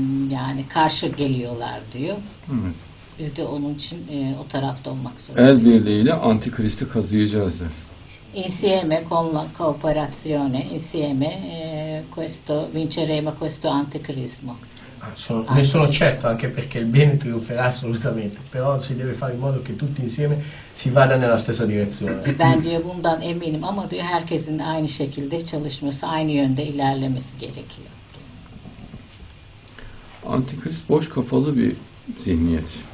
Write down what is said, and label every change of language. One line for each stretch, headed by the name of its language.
Turkish: yani karşı geliyorlar diyor. Evet. Biz de onun için o tarafta olmak zorundayız. El birliğiyle antikristi kazıyacağız der.
Italian: Insieme con la cooperazione, insieme questo vinceremo questo anticristo. Ne sono certo, anche perché il bene trionferà assolutamente, però si deve fare in modo che tutti insieme si vada nella stessa direzione.
Turkish: Ben diyor bundan eminim ama diyor herkesin aynı şekilde çalışması, aynı yönde ilerlemesi gerekiyor. Antikrist boş kafalı bir zihniyet.